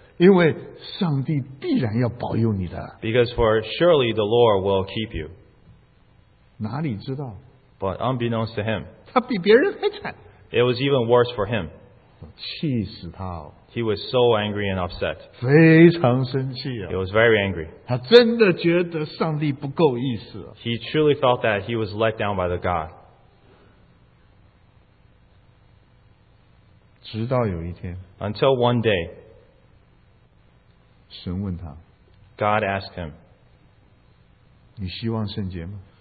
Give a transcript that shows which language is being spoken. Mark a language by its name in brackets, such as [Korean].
[Chinese] 因为上帝必然要保佑你的， [English] because for surely the Lord will keep you, [Chinese] 哪里知道， [English] but unbeknownst to him, [Chinese] 他比别人还惨， [English] it was even worse for him. [Chinese] 气死他哦。 [English] He was so angry and upset. [Chinese] 非常生气啊。 [English] He was very angry. [Chinese] 他真的觉得上帝不够意思啊。 [English] He truly felt that he was let down by the God. [Chinese] 直到有一天。 [English] Until one day. [Chinese] 神问他。 [English] God asked him. [Chinese] 你希望圣洁吗？